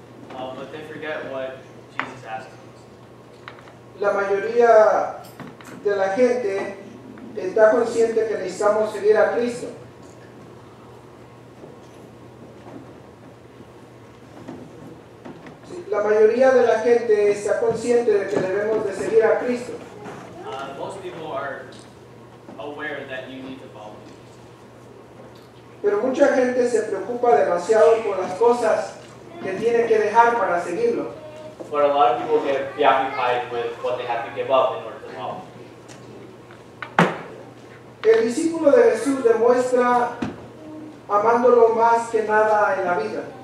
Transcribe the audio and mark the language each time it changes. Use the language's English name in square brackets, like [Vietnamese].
[English] But they forget what Jesus asked us. [Spanish] La mayoría de la gente está consciente que necesitamos seguir a Cristo. La mayoría de la gente está consciente de que debemos de seguir a Cristo. [English] Most people are aware that you need to follow Jesus. [Spanish] Pero mucha gente se preocupa demasiado por las cosas que tiene que dejar para seguirlo. [English] But a lot of people get preoccupied with what they have to give up in order to follow. [Spanish] El discípulo de Jesús demuestra amándolo más que nada en la vida.